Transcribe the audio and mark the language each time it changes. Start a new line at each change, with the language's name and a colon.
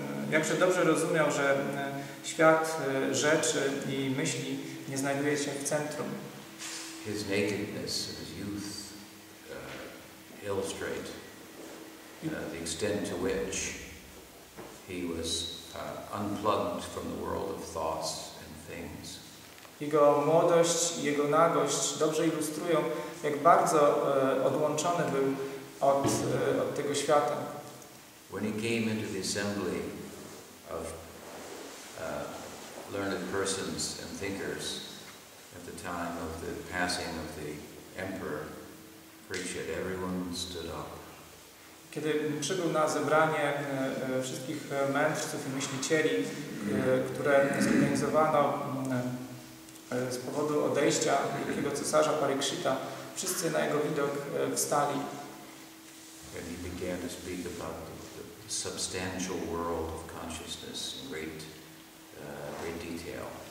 Polish: Jakże dobrze rozumiał, że świat rzeczy i myśli nie znajduje się w centrum.
English: His nakedness and his youth illustrate the extent to which he was unplugged from the world of thoughts and things.
Polish: Jego młodość i jego nagość dobrze ilustrują, jak bardzo odłączony był od tego świata.
English: When he came into the assembly of learned persons and thinkers at the time of the passing of the emperor Parikshit, everyone stood up.
Polish: Kiedy przybył na zebranie wszystkich mędrców i myślicieli, które zorganizowano z powodu odejścia wielkiego cesarza Parikshita, wszyscy na jego widok wstali.
English: And he began to speak about the substantial world of consciousness in great detail.